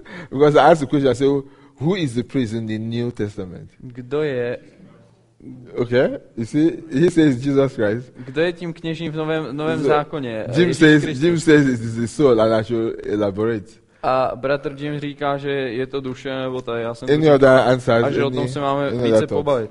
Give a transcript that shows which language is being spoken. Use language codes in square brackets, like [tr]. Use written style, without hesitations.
[en] Because I asked the question, I said, who is the priest in the New Testament? [cs] Kdo je? [en] Okay, you see, he says Jesus Christ. [cs] Kdo je tím kněžím v novém zákoně? [en] Jim says it is the soul, and I should elaborate. [cs] A bratr Jim říká, že je to duše, nebo to já jsem... [en] Any other answers? [cs] A že o tom se máme více pobavit.